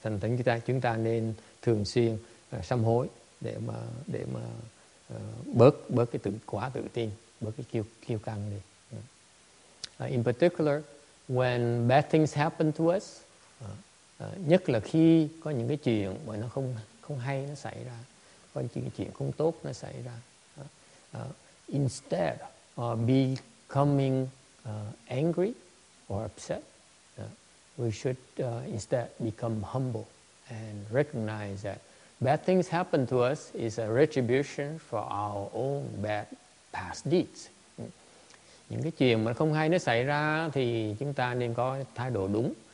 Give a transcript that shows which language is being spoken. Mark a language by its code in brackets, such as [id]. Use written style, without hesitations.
[vi] Thành thánh chúng ta nên thường xuyên sám hối để mà bớt cái quá tự tin, bớt cái kiêu căng đi. [en] In particular, when bad things happen to us, [vi] nhất là khi có những cái chuyện mà nó không hay nó xảy ra, có những chuyện không tốt nó xảy ra. [en] Instead of becoming angry or upset, we should instead become humble and recognize that bad things happen to us is a retribution for our own bad past deeds. [vi] Những cái chuyện mà không hay nó xảy ra thì chúng ta nên có thái độ đúng.